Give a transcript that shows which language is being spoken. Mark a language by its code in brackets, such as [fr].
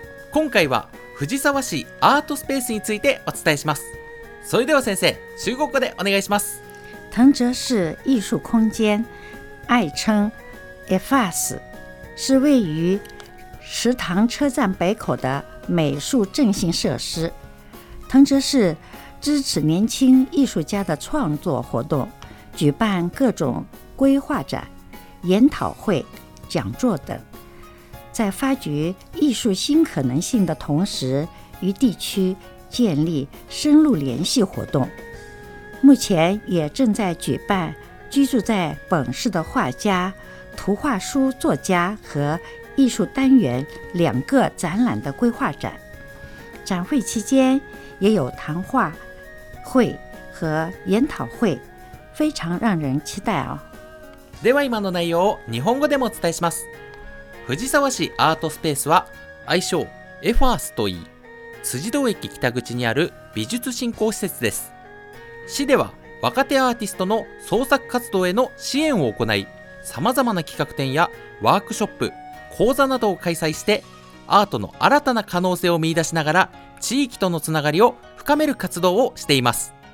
[ja] 今回は藤沢市アートスペースについてお伝えします。それでは先生、中国語でお願いします。 [zh] 藤沢市艺术空間愛称 EFAS 是位于石塘车站北口的美术振兴设施。藤泽市支持年轻艺术家的创作活动，举办各种规划展、研讨会、讲座等，在发掘艺术新可能性的同时，与地区建立深入联系活动。目前也正在举办居住在本市的画家、图画书作家和艺术单元两个展览的规划展。展会期间也有谈话会和研讨会，非常让人期待哦。 [ja] では今の内容を日本語でもお伝えします。藤沢市アートスペースは愛称エファースといい、辻堂駅北口にある美術振興施設です。市では若手アーティストの創作活動への支援を行い、さまざまな企画展やワークショップ、講座などを開催して、アートの新たな可能性を見出しながら地域とのつながりを深める活動をしています。